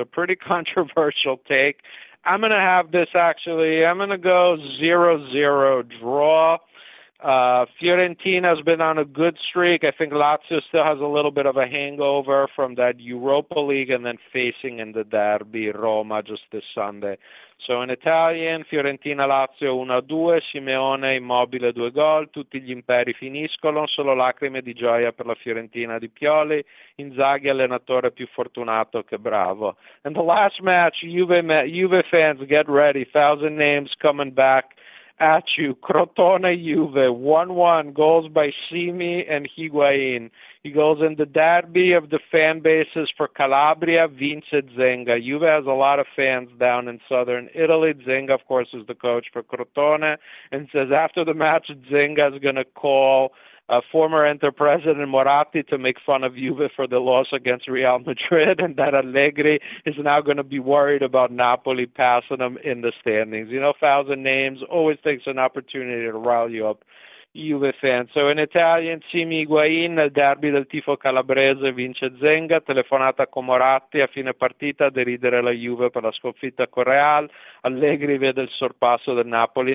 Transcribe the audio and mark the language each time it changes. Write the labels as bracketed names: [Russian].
[English] So pretty controversial take. I'm going to have this, actually. I'm going to go 0-0 draw. Fiorentina has been on a good streak. I think Lazio still has a little bit of a hangover from that Europa League and then facing in the derby Roma just this Sunday. [Italian] So in Italian, Fiorentina-Lazio 1-2, Simeone-Immobile 2 gol, tutti gli imperi finiscono, solo lacrime di gioia per la Fiorentina di Pioli, Inzaghi allenatore più fortunato che bravo. [English] And the last match, Juve fans, get ready, Thousand Names coming back at you. Crotone-Juve 1-1, goals by Simi and Higuain. He goes in the derby of the fan bases for Calabria, Vince Zenga. Juve has a lot of fans down in southern Italy. Zenga, of course, is the coach for Crotone, and says after the match, Zenga is going to call former Inter president Moratti to make fun of Juve for the loss against Real Madrid, and that Allegri is now going to be worried about Napoli passing him in the standings. You know, Thousand Names always takes an opportunity to rile you up Juve fan. [Italian] So in Italian, Cimi Higuain, nel derby del tifo calabrese vince Zenga, telefonata con Moratti a fine partita, a deridere la Juve per la sconfitta con Real, Allegri vede il sorpasso del Napoli.